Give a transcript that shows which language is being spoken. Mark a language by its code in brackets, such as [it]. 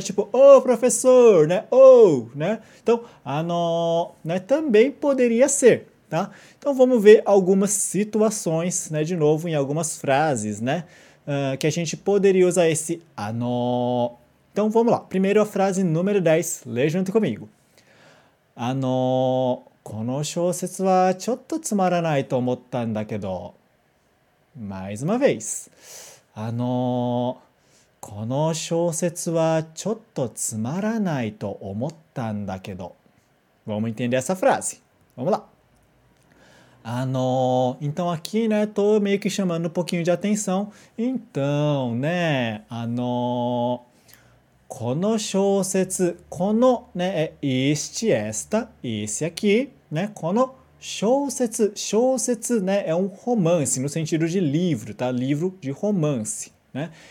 [pt] Tipo, ô, professor, né? Ô, né? Então, ano, né? Também poderia ser. Tá? Então, vamos ver algumas situações, né, de novo, em algumas frases, né, que a gente poderia usar esse ano. Então, vamos lá. Primeiro, a frase número 10. Lê junto comigo. [ja] Ano, この小説はちょっとつまらないと思ったんだけど。 [pt] Mais uma vez. [ja] Ano, この小説はちょっとつまらないと思ったんだけど。 [pt] Vamos entender essa frase. Vamos lá. Ano, então aqui, né, tô meio que chamando um pouquinho de atenção. Então, né, ano, [ja] kono shousetsu, [pt] kono, né, é este, esta, esse aqui, né, kono shousetsu, shousetsu, né, é um romance, no sentido de livro, tá, livro de romance, né.